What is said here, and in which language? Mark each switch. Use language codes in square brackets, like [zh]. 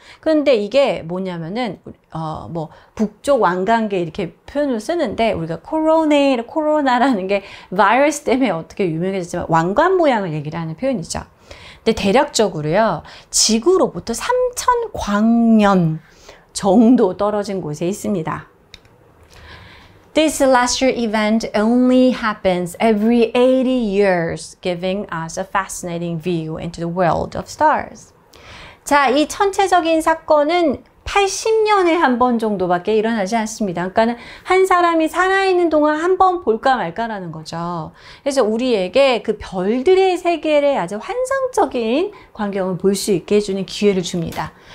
[ko] 그런데 이게 뭐냐면은, 북쪽 왕관계 이렇게 표현을 쓰는데, 우리가 코로나라는 게 바이러스 때문에 어떻게 유명해졌지만 왕관 모양을 얘기를 하는 표현이죠. 근데 대략적으로요, 지구로부터 3,000 광년 정도 떨어진 곳에 있습니다. [en] This celestial event only happens every 80 years, giving us a fascinating view into the world of stars. [ko] 자, 이 천체적인 사건은 80년에 한 번 정도밖에 일어나지 않습니다. 그러니까 한 사람이 살아있는 동안 한 번 볼까 말까라는 거죠. 그래서 우리에게 그 별들의 세계를 아주 환상적인 광경을 볼 수 있게 해주는 기회를 줍니다.